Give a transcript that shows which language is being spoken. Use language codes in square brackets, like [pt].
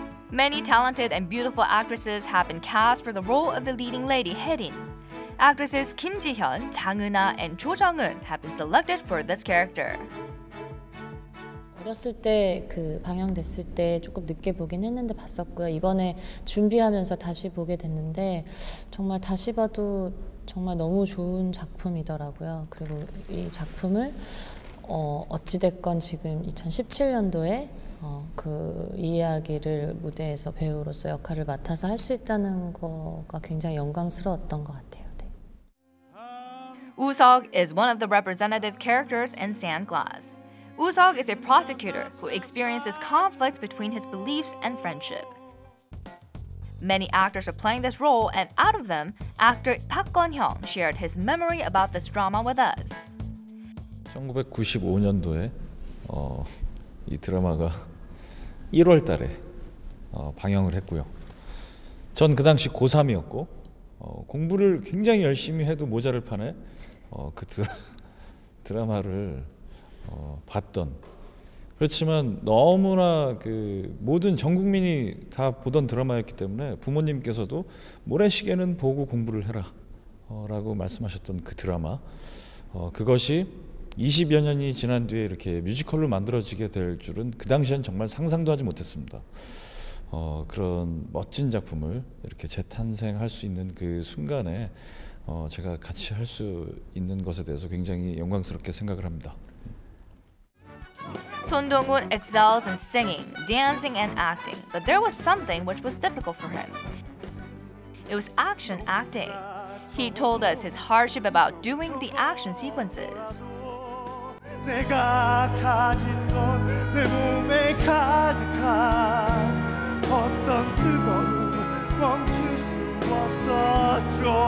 [en] Many talented and beautiful actresses have been cast for the role of the leading lady, Hye-rin. Actresses Kim Ji-hyun, Jang Eun-ah, and Cho Jung-eun have been selected for this character. [ko] 어렸을 때 그 방영됐을 때 조금 늦게 보긴 했는데 봤었고요. 이번에 준비하면서 다시 보게 됐는데 정말 다시 봐도 정말 너무 좋은 작품이더라고요. 그리고 이 작품을 어찌됐건 지금 2017년도에 그 이야기를 무대에서 배우로서 역할을 맡아서 할 수 있다는 거가 굉장히 영광스러웠던 것 같아요. 네. [en] Woo-seok is one of the representative characters in Sandglass. Woo-seok is a prosecutor who experiences conflicts between his beliefs and friendship. Many actors are playing this role, and out of them, actor Park Gwon-hyung shared his memory about this drama with us. [ko] 1995년도에 이 드라마가 1월 달에 방영을 했고요. 전 그 당시 고3이었고 공부를 굉장히 열심히 해도 모자를 판에 그 드라마를 봤던, 그렇지만 너무나 그 모든 전 국민이 다 보던 드라마였기 때문에 부모님께서도 모래시계는 보고 공부를 해라 라고 말씀하셨던 그 드라마, 그것이 20여 년이 지난 뒤에 이렇게 뮤지컬로 만들어지게 될 줄은 그 당시엔 정말 상상도 하지 못했습니다. 그런 멋진 작품을 이렇게 재탄생할 수 있는 그 순간에 제가 같이 할 수 있는 것에 대해서 굉장히 영광스럽게 생각을 합니다. [en] Son Dong-un excels in singing, dancing and acting, but there was something which was difficult for him. It was action acting. He told us his hardship about doing the action sequences. [ko] 내가 가진 건 내 몸에 가득한 어떤 뜨거움 멈출 수 없었죠.